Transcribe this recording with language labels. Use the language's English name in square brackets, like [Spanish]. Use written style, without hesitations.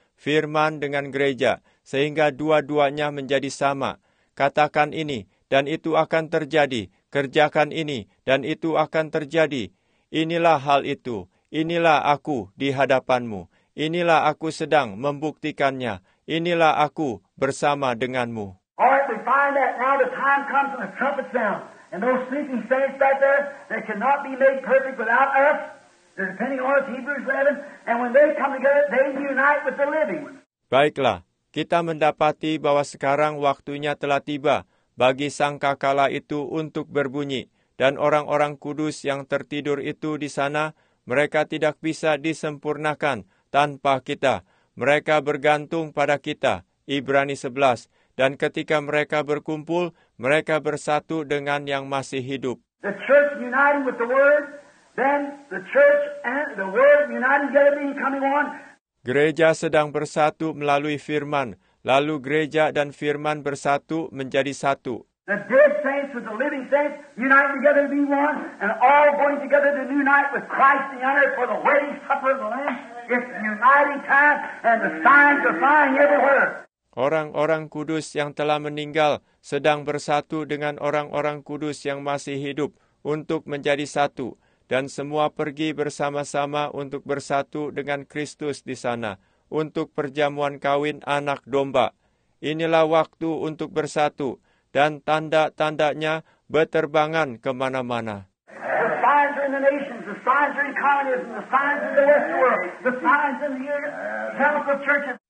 [Indonesian] Firman dengan gereja, sehingga dua-duanya menjadi sama. Katakan ini, dan itu akan terjadi. Kerjakan ini, dan itu akan terjadi. Inilah hal itu. Inilah aku di hadapanmu. Inilah aku sedang membuktikannya. Inilah aku bersama denganmu. [English] All right, we find that now the time comes and the trumpet sounds. And those sleeping saints back there, they cannot be made perfect without us. They're depending on us, Hebrews 11. And when they come together, they unite with the living. [Indonesian] Baiklah, kita mendapati bahwa sekarang waktunya telah tiba bagi sangkakala itu untuk berbunyi. Dan orang-orang kudus yang tertidur itu di sana, mereka tidak bisa disempurnakan tanpa kita. Mereka bergantung pada kita, Ibrani 11. Dan ketika mereka berkumpul, mereka bersatu dengan yang masih hidup. [English] The church uniting with the word. Then the church and the word united together becoming one. [Indonesian] Gereja sedang bersatu melalui firman, lalu gereja dan firman bersatu menjadi satu. [English] The dead saints with the living saints united together be one, and all going together to unite with Christ the honor for the wedding supper of the Lamb. It's the uniting time, and the signs are flying everywhere. [Indonesian] Orang-orang kudus yang telah meninggal sedang bersatu dengan orang-orang kudus yang masih hidup untuk menjadi satu. Dan semua pergi bersama-sama untuk bersatu dengan Kristus di sana, untuk perjamuan kawin anak domba. Inilah waktu untuk bersatu, dan tanda-tandanya beterbangan kemana-mana. [English] The signs are in the nations, the signs are in communism, the signs in the Western world, the signs in the evangelical churches.